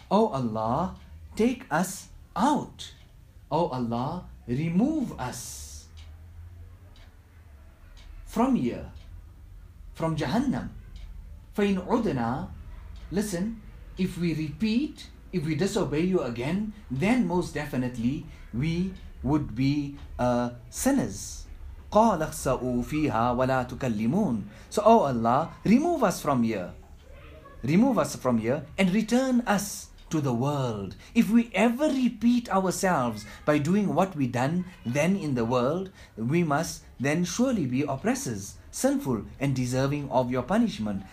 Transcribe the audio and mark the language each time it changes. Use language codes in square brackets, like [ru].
[en] O Allah, take us out. O Allah, remove us from here, from Jahannam. [ar] فَإِنْ عُدْنَا. [en] Listen, if we repeat, if we disobey you again, then most definitely we would be sinners. [ar] قال اخسأوا فيها ولا تكلمون. [en] So, O Allah, remove us from here. Remove us from here and return us to the world. If we ever repeat ourselves by doing what we done then in the world, we must then surely be oppressors, sinful and deserving of your punishment.